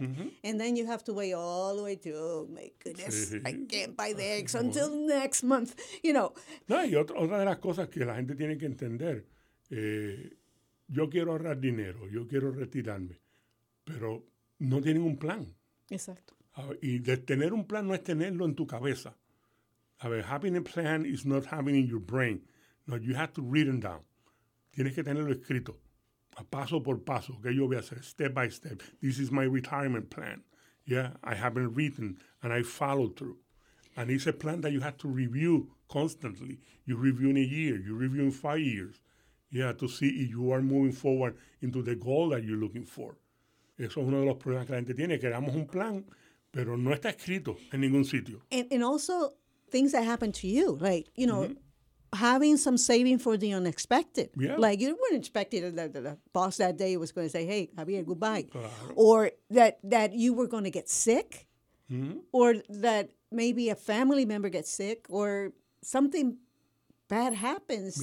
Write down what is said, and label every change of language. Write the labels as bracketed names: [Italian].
[English] And then you have to wait all the way to, oh my goodness, I can't buy the eggs until next month, you know. [Spanish] No, y otra de las cosas que la gente tiene que entender, yo quiero ahorrar dinero, yo quiero retirarme, pero no tienen un plan. Exacto. Y de tener un plan no es tenerlo en tu cabeza. A ver, [English] having a plan is not having in your brain. No, you have to read it down. [Spanish] Tienes que tenerlo escrito, paso por paso. ¿Qué yo voy a hacer? [English] Step by step. This is my retirement plan. Yeah, I haven't written, and I followed through. And it's a plan that you have to review constantly. You review in a year. You review in 5 years. Yeah, to see if you are moving forward into the goal that you're looking for. [Spanish] Eso es uno de los problemas que la gente tiene. Queremos un plan, pero no está escrito en ningún sitio. [English] And also, things that happen to you, like, you know, having some saving for the unexpected. Yeah. Like, you weren't expecting that the boss that day was going to say, hey, Javier, goodbye. Or that you were going to get sick. Mm-hmm. Or that maybe a family member gets sick or something bad happens.